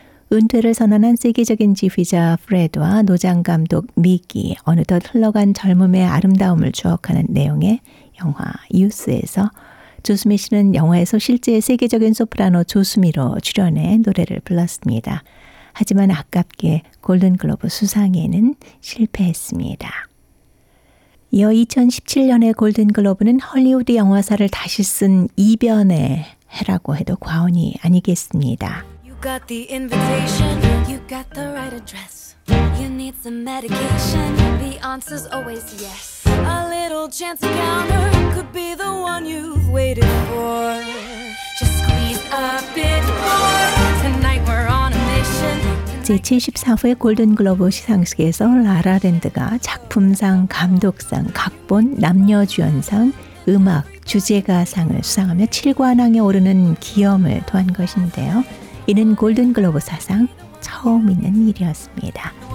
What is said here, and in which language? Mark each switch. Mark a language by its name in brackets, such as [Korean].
[Korean] 은퇴를 선언한 세계적인 지휘자 프레드와 노장감독 미기, 어느덧 흘러간 젊음의 아름다움을 추억하는 내용의 영화 유스에서 조수미 씨는 영화에서 실제 세계적인 소프라노 조수미로 출연해 노래를 불렀습니다. 하지만 아깝게 골든글로브 수상에는 실패했습니다. 이어 2017년의 골든글로브는 헐리우드 영화사를 다시 쓴 이변의 해라고 해도 과언이 아니겠습니다. [English] You got the invitation, you got the right address. You need some medication, the answer's always yes. A little chance encounter could be the one you've waited for. Just squeeze a bit more. Tonight we're on a mission. [Korean] 제74회 골든글로브 시상식에서 라라랜드가 작품상, 감독상, 각본, 남녀주연상, 음악, 주제가상을 수상하며 7관왕에 오르는 기염을 토한 것인데요. 이는 골든글로브 사상 처음 있는 일이었습니다.